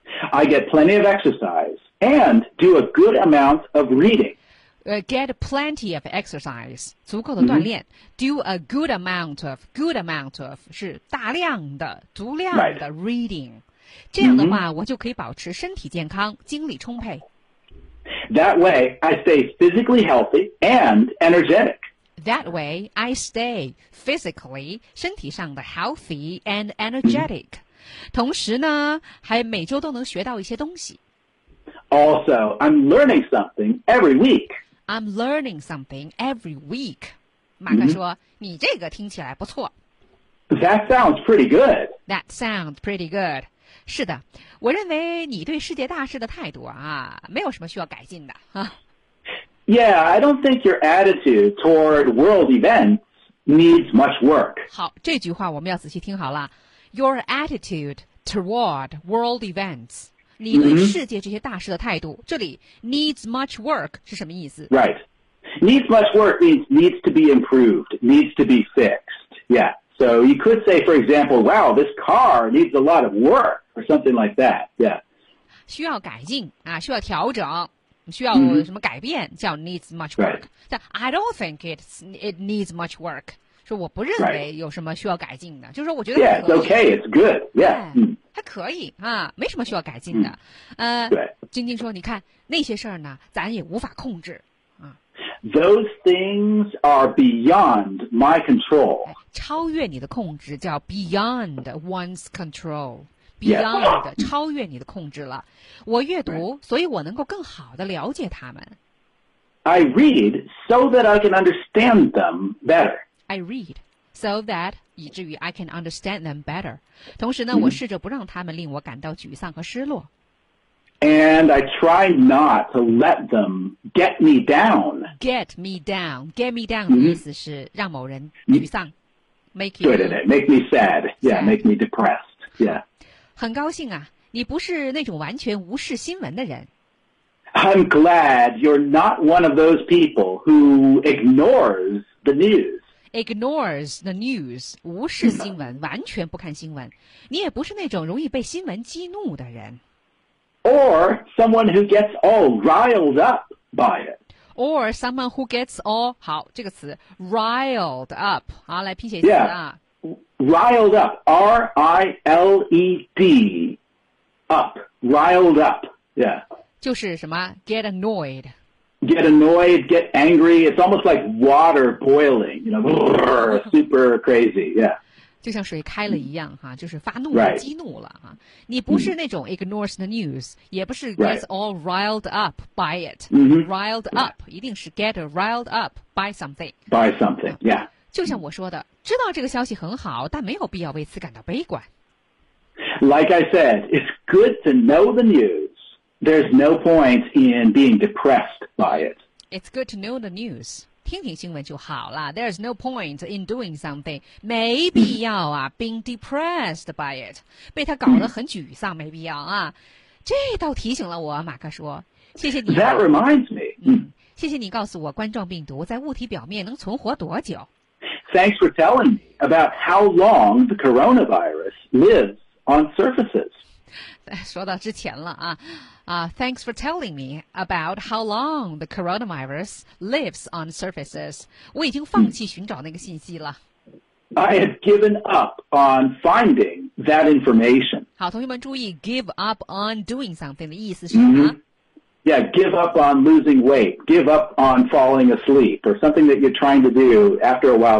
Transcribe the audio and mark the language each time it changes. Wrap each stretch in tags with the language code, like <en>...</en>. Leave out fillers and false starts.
<en>I get plenty of exercise and do a good amount of reading. Get plenty of exercise.</en> <zh>足够的锻炼。</zh> <en>Mm-hmm. Do a good amount of. Good amount of</en> <zh>是大量的、足量的</zh> <en>reading. Right.</en> <zh>这样的话、mm-hmm. 我就可以保持身体健康、精力充沛。</zh> <en>That way, I stay physically healthy and energetic. That way, I stay physically,</en> <zh>身体上的</zh> <en>healthy and energetic.、Mm-hmm.</en> <zh>同时呢，还每周都能学到一些东西。</zh> <en>Also, I'm learning something every week. I'm learning something every week.</en> <zh>马克说、</zh> <en>mm-hmm.</en> <zh>你这个听起来不错。</zh> <en>That sounds pretty good. That sounds pretty good.</en> <zh>是的，我认为你对世界大事的态度啊，没有什么需要改进的。</zh> <en>Yeah, I don't think your attitude toward world events needs much work.</en> <zh>好，这句话我们要仔细听好了。</zh> <en>Your attitude toward world events,</en> <zh>你对世界这些大事的态度，这里</zh> <en>needs much work</en> <zh>是什么意思？</zh> <en>Right. Needs much work means needs to be improved, needs to be fixed. Yeah. So you could say, for example, wow, this car needs a lot of work, or something like that, yeah.</en> <zh>需要改进、啊、需要调整需要什么改变、mm-hmm. 叫</zh> <en>needs much work.、 Right. I don't think it needs much work.</en> <zh>说我不认为有什么需要改进的、</zh> <en>right.</en> <zh>就是我觉得</zh> <en>Yeah, it's okay, it's good, yeah.</en> <zh>还可以、啊、没什么需要改进的。对。晶晶说你看那些事儿呢咱也无法控制。</zh> <en>Those things are beyond my control.</en> <zh>超越你的控制叫</zh> <en>beyond one's control.</en> <zh>Beyond、</zh> <en>yes.</en> <zh>超越你的控制了。我阅读、</zh> <en>right.</en> <zh>所以我能够更好地了解他们。</zh> <en>I read so that I can understand them better. I read so that</en> <zh>以至于</zh> <en>I can understand them better.</en> <zh>同时呢、mm-hmm. 我试着不让他们令我感到沮丧和失落。</zh> <en>And I try not to let them get me down. Get me down. Get me down</en> <zh>的意思是让某人沮丧。</zh> <en>Make you...</en> <zh>对对对</zh> <en>,make me sad. Yeah, sad. Make me depressed. Yeah.</en> <zh>很高兴啊你不是那种完全无视新闻的人。</zh> <en>I'm glad you're not one of those people who ignores the news. Ignores the news,</en> <zh>无视新闻完全不看新闻。你也不是那种容易被新闻激怒的人。</zh> <en>Or someone who gets all riled up by it. Or someone who gets all,</en> <zh>好,这个词,</zh> <en>riled up.</en> <zh>好,来拼写一</zh> <en>下。Yeah, riled up, R-I-L-E-D, up, riled up, yeah.</en> <zh>就是什么,</zh> <en>get annoyed. Get annoyed, get angry, it's almost like water boiling, you know, brrr, super crazy, yeah.</en> <zh>就像水开了一样、</zh> <en>mm-hmm.</en> <zh>啊、就是发怒了、</zh> <en>right.</en> <zh>激怒了、啊、你不是那种</zh> <en>ignores the news、</en> <zh>mm-hmm. 也不是 gets、</zh> <en>right. all riled up by it、 mm-hmm. riled up、right. 一定是 get riled up by something by something、啊、yeah</en> <zh>就像我说的知道这个消息很好但没有必要为此感到悲观</zh> <en>like I said it's good to know the news there's no point in being depressed by it it's good to know the news</en> <zh>听听新闻就好了</zh> <en>There's no point in doing something</en> <zh>没必要啊</zh> <en>Being depressed by it</en> <zh>被他搞得很沮丧没必要啊这倒提醒了我马克说谢谢你、啊、</zh> <en>That reminds me、</en> <zh>谢谢你告诉我冠状病毒在物体表面能存活多久</zh> <en>Thanks for telling me about how long the coronavirus lives on surfaces</en> <zh>说到之前了啊</zh> <en>thanks for telling me about how long the coronavirus lives on surfaces.</en> <zh>我已经放弃寻找那个信息了。</zh> <en>I had given up on finding that information.</en> <zh>好，同学们注意</zh> <en>give up on doing something</en> <zh>的意思是什么、</zh> <en>mm-hmm. Yeah, give up on losing weight. Give up on falling asleep. Or something that you're trying to do after a while.</en>